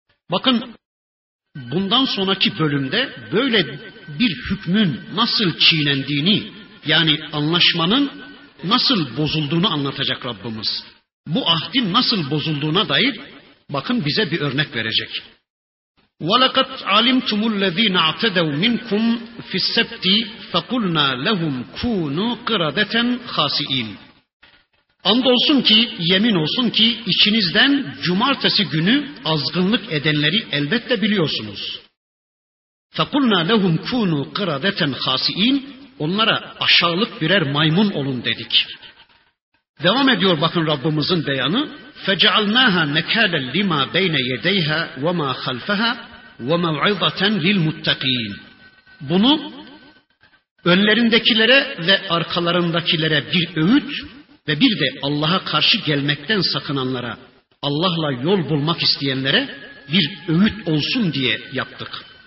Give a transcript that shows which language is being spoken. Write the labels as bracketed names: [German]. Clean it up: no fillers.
[Turkish] Bakın bundan sonraki bölümde böyle bir hükmün nasıl çiğnendiğini, yani anlaşmanın nasıl bozulduğunu anlatacak Rabbimiz. Bu ahdin nasıl bozulduğuna dair bakın bize bir örnek verecek. [Arabic] وَلَقَدْ عَلِمْتُمُ الَّذ۪ينَ اَعْتَدَوْ مِنْكُمْ فِي السَّبْتِ فَقُلْنَا لَهُمْ كُونُوا قِرَدَةً خَاسِئِينَ [Turkish] Andolsun ki, yemin olsun ki içinizden cumartesi günü azgınlık edenleri elbette biliyorsunuz. [Arabic] فَقُلْنَا لَهُمْ كُونُوا قِرَدَةً خَاسِئِينَ [Turkish] onlara aşağılık birer maymun olun dedik. Devam ediyor bakın Rabbimizin beyanı. [Arabic] فَجَعَلْنَاهَا نَكَالًا لِمَا بَيْنَ يَدَيْهَا وَمَا خَلْفَهَا وَمَوْعِضَةً لِلْمُتَّقِينَ [Turkish] Bunu önlerindekilere ve arkalarındakilere bir öğüt ve bir de Allah'a karşı gelmekten sakınanlara, Allah'la yol bulmak isteyenlere bir öğüt olsun diye yaptık.